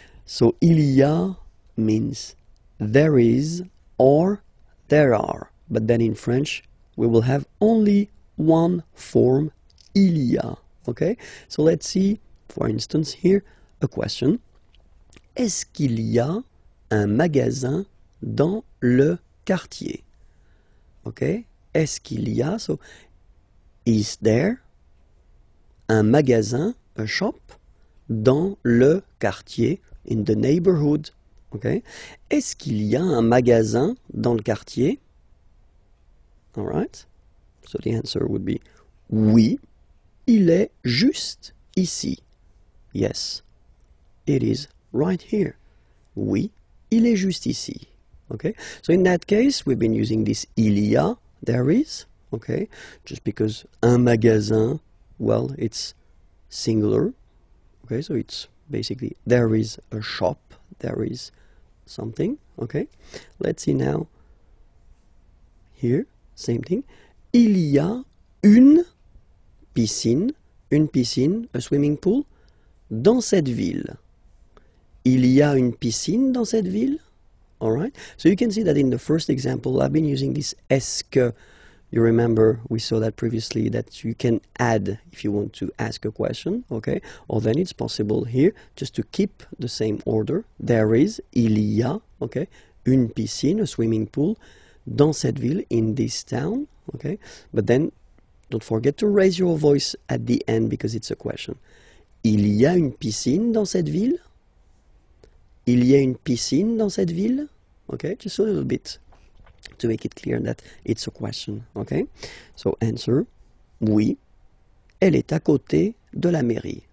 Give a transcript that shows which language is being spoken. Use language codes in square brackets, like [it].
[en] So [fr] il y a [en] means there is or there are. But then in French, we will have only one form, [fr] il y a, [en] okay? So let's see, for instance, here, a question. [fr] Est-ce qu'il y a un magasin dans le quartier? [en] Okay, [fr] est-ce qu'il y a, [en] so, is there [fr] un magasin, [en] a shop, [fr] dans le quartier, [en] in the neighborhood, okay? [fr] Est-ce qu'il y a un magasin dans le quartier? [en] All right, so the answer would be [fr] oui, il est juste ici. [en] Yes, it is right here. [fr] Oui, il est juste ici. [en] Okay, so in that case, we've been using this [fr] il y a, [en] there is, okay, just because un magasin, well, it's singular. Okay, so it's basically there is a shop, there is something. Okay, let's see now here. Same thing. [fr] Il y a une piscine, [en] a swimming pool, [fr] dans cette ville. Il y a une piscine dans cette ville? [en] Alright. So you can see that in the first example, I've been using this [fr] est-ce que. [en] You remember, we saw that previously, that you can add if you want to ask a question, okay? Or then it's possible here, just to keep the same order. There is, [fr] il y a, [en] okay, [fr] une piscine, [en] a swimming pool, [fr] dans cette ville, [en] in this town, okay? But then, don't forget to raise your voice at the end because it's a question. [fr] Il y a une piscine dans cette ville? Il y a une piscine dans cette ville? [en] Okay, just a little bit to make it clear that it's a question, okay? So, answer, [fr] oui, elle est à côté de la mairie.